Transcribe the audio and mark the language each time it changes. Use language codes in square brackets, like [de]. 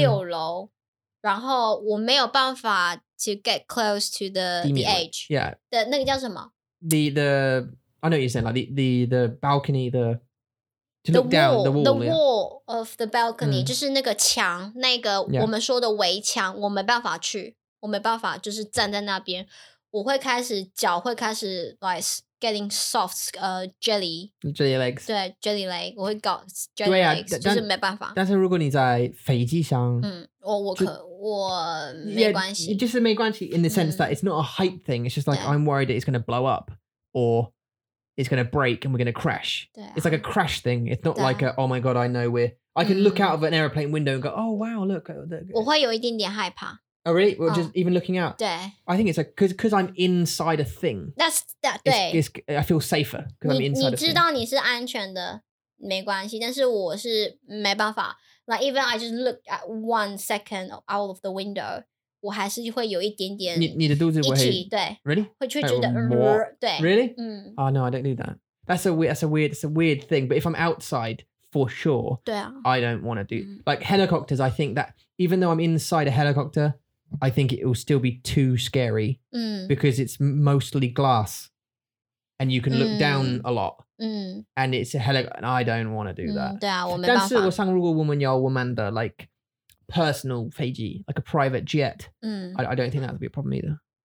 [zh] 但是如果是比如说在你的学校六楼，然后我没有办法 [en] to get close to the edge. Yeah. [zh] 的那个叫什么? [en] The I know what you're saying, like the balcony, the to look the down wall, the wall, the yeah. [zh] wall of the balcony, 就是那个墙，那个我们说的围墙，我没办法去，我没办法就是站在那边，我会开始脚会开始 [en] like getting soft, jelly legs. [zh] 对, jelly leg. 我会搞 jelly legs, 就是没办法. 但是如果你在飞机上, 我没关系. [en] Yeah, [zh] 就是没关系, [en] in the sense that it's not a height thing. It's just like, I'm worried that it's going to blow up or it's going to break and we're going to crash. [zh] 对啊. [en] It's like a crash thing. It's not like, oh my God, I know we're... I can look out of an aeroplane window and go, oh, wow, look. [zh] 我会有一点点害怕. [en] Oh, really? Well, just even looking out? I think it's like, because I'm inside a thing. That's, that, [zh] 对. [en] It's, I feel safer because I'm inside a thing. [zh] 你知道你是安全的,没关系,但是我是没办法. [en] Like, even I just look at 1 second out of the window, [zh] 我还是会有一点点你的肚子会... 对. [en] Really? [zh] 会觉得... [en] Like, [zh] 对. [en] Really? [zh] 嗯. [en] Oh, no, I don't do that. That's a weird, thing. But if I'm outside, for sure, [zh] 对啊. [en] I don't want to do... Like, helicopters, I think that... Even though I'm inside a helicopter, I think it will still be too scary because it's mostly glass and you can look down a lot and it's a helicopter and I don't want to do that. [zh] 但是我想如果我们有我们的 [en] like personal 飞机, like a private jet, I don't think that would be a problem either.